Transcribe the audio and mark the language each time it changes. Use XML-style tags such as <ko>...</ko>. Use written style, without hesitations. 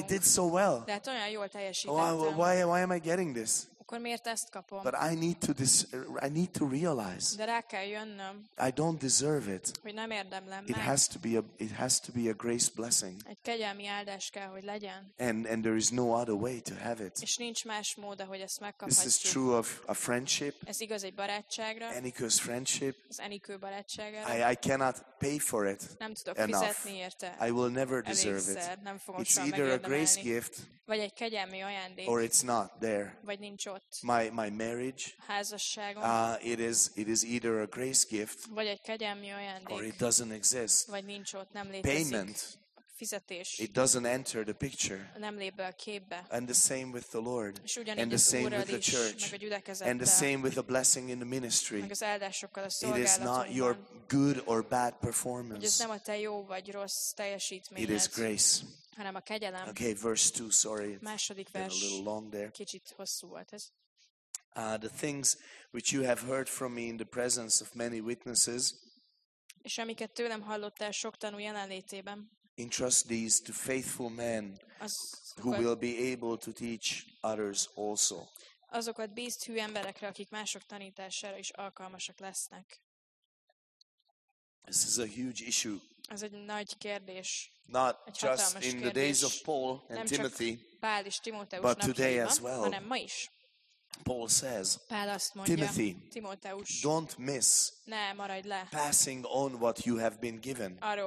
<en>I did so well.</en> <hu>De hát olyan jól teljesítettem.</hu> <en>Why am I getting this?</en> <hu>akkor miért ezt kapom?</hu> <en>But I need to realize.</en> <hu>De rá kell jönnöm.</hu> <en>I don't deserve it.</en> <hu>Hogy nem érdemlem meg.</hu> <en>It has to be a grace blessing.</en> <hu>Egy kegyelmi áldás kell, hogy legyen.</hu> <en>And there is no other way to have it.</en> <hu>És nincs más mód, hogy ezt megkaphatjuk.</hu> <en>This is true of a friendship.</en> <hu>Ez igaz egy barátságra.</hu> <en>Anyko's friendship.</en> <hu>Az Anyko barátságára.</hu> <en>I cannot pay for it.</en> <hu>Nem tudok fizetni érte.</hu> <en>I will never deserve it.</en> <hu>Nem fogom.</hu> <en>It's either a grace gift.</en> <hu>Vagy egy kegyelmi ajándék.</hu> <en>Or it's not there.</en> <hu>Vagy nincs ott.</hu> <en>My marriage.</en> <hu>Házasságom.</hu> <en>It is either a grace gift.</en> <hu>Vagy egy kegyelmi ajándék.</hu> <en>Or it doesn't exist.</en> <hu>Vagy nincs ott, nem létezik.</hu> <en>Payment.</en> <hu>Fizetés.</hu> <en>It doesn't enter the picture.</en> <hu>Nem lép be a képbe.</hu> <en>And the same with the Lord.</en> <hu>És ugyanígy</hu> <en>and the same with the church.</en> <hu>Meg a gyülekezettel.</hu> <en>And the same with the blessing in the ministry.</en> <hu>Meg az áldásokkal a szolgálaton.</hu> <en>It is not your good or bad performance.</en> <hu>Ez nem a te jó vagy rossz teljesítményed.</hu> <en>It is grace.</en> <hu>Hanem a kegyelem.</hu> <en>Okay, verse 2, sorry.</en> <hu>Második vers.</hu> <en>A little long there.</en> <hu>Kicsit hosszú volt ez.</hu> <en>The things which you have heard from me in the presence of many witnesses.</en> <hu>És amiket tőlem hallottál sok tanú jelenlétében.</hu> <en>Entrust these to faithful men who will be able to teach others also.</en> <hu>Azokat bízd hű emberekre, akik mások tanítására is alkalmasak lesznek.</hu> <en>This is a huge issue.</en> <hu>Ez egy nagy kérdés.</hu> <en>Not just in the days of Paul and Timothy, but today as well. Paul says, Timothy, don't miss passing on what you have been given.</en>